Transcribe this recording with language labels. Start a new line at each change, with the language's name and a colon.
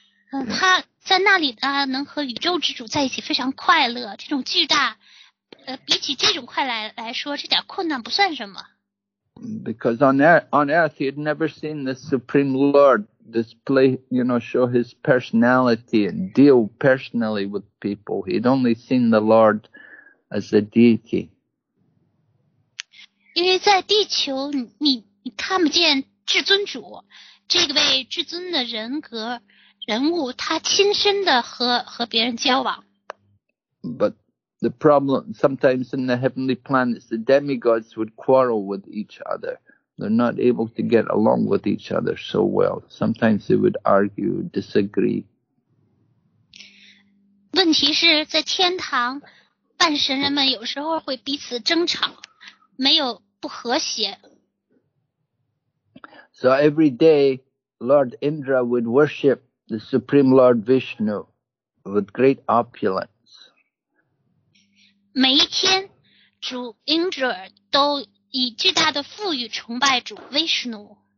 Chinese: 他在那里呢，能和宇宙之主在一起非常快乐。这种巨大，比起这种快来说，这点困难不算什么。
English: Because on earth he had never seen the Supreme Lord. Display, you know, show his personality and deal personally with people. He'd only seen the Lord as a deity.
Chinese: 因为在地球，你看不见至尊主，这位至尊的人格人物，他亲身的和别人交往。
English: But the problem sometimes in the heavenly planets, the demigods would quarrel with each other. They're not able to get along with each other so well. Sometimes they would argue, disagree.
Chinese: 问题是在天堂，半神人们有时候会彼此争吵，没有不和谐。
English: So every day, Lord Indra would worship the Supreme Lord Vishnu with great opulence.
Chinese: 每一天，主 Indra 都以巨大的富裕崇拜主 Vishnu.